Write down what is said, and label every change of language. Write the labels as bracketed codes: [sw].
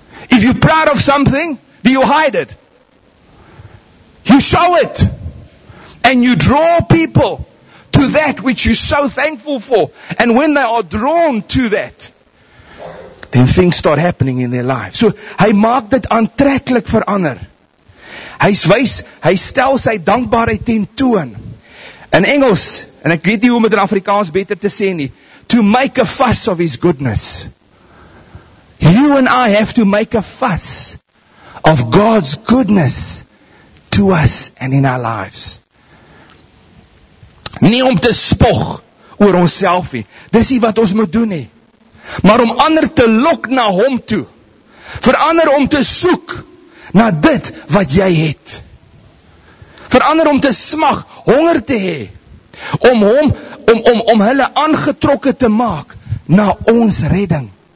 [en] If you're proud of something, do you hide it? You show it. And you draw people to that which you're so thankful for. And when they are drawn to that, then things start happening in their lives. [af] So hy maak dit aantreklik vir ander. Hy stel sy dankbaarheid ten toon. In Engels, en ek weet nie hoe om dit in Afrikaans beter te sê nie, [en] to make a fuss of his goodness. You and I have to make a fuss of God's goodness to us and in our lives. [af] Nie om te spog oor onsself nie. Dis nie wat ons moet doen nie. Maar om ander te lok na hom toe. Vir ander om te soek na dit wat jy het. Vir ander om te smag, honger te hê. Om hom, om hulle aangetrokke te maak na ons redding.